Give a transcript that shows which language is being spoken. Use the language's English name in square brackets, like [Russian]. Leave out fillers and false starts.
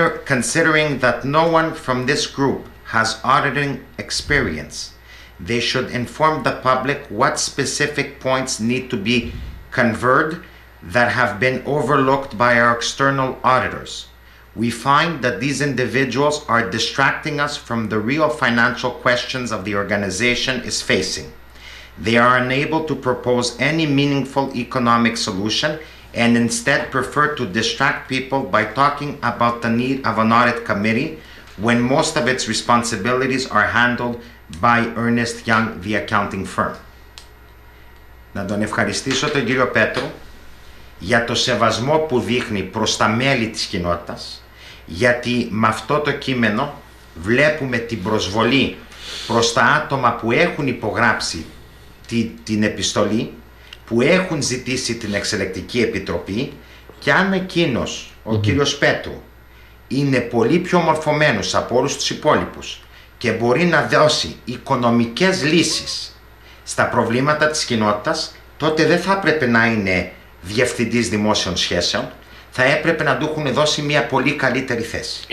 [English] Considering that no one from this group has auditing experience, they should inform the public what specific points need to be covered that have been overlooked by our external auditors. We find that these individuals are distracting us from the real financial questions of the organization is facing. They are unable to propose any meaningful economic solution and instead prefer to distract people by talking about the need of an audit committee when most of its responsibilities are handled by Ernest Young, the accounting firm. [Greek] Να τον ευχαριστήσω τον κύριο Πέτρο για το σεβασμό που δείχνει προς τα μέλη της κοινότητας, γιατί με αυτό το κείμενο βλέπουμε την προσβολή προς τα άτομα που έχουν υπογράψει την επιστολή, που έχουν ζητήσει την Εξελεκτική Επιτροπή, και αν εκείνος, ο κύριος Πέτρου, είναι πολύ πιο μορφωμένος από όλους τους υπόλοιπους και μπορεί να δώσει οικονομικές λύσεις στα προβλήματα της κοινότητας, τότε δεν θα έπρεπε να είναι διευθυντής δημόσιων σχέσεων, θα έπρεπε να του έχουν δώσει μια πολύ καλύτερη θέση.